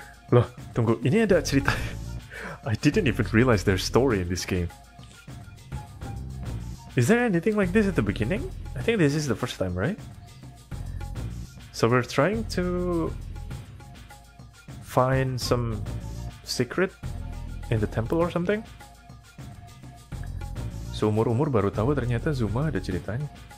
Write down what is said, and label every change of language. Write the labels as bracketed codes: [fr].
[id] Loh, tunggu, ini ada cerita. [en] I didn't even realize there's story in this game. Is there anything like this at the beginning? I think this is the first time, right? So we're trying to find some secret in the temple or something. [id] Seumur-umur baru tahu ternyata Zuma ada ceritanya.